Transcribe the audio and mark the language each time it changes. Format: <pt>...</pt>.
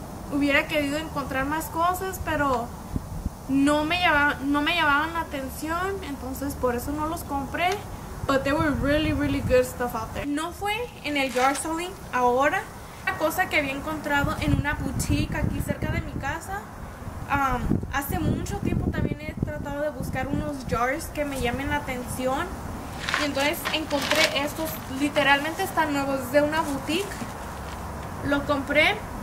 <es>Hubiera querido encontrar más cosas, pero no me llamaban la atención, entonces por eso no los compré.</es> <en>But there were really, really good stuff out there.</en> <es>No fue en el yard selling ahora. Una cosa que había encontrado en una boutique aquí cerca de mi casa. Hace mucho tiempo también he tratado de buscar unos jars que me llamen la atención. Y entonces encontré estos. Literalmente están nuevos, de una boutique. Lo compré.</es>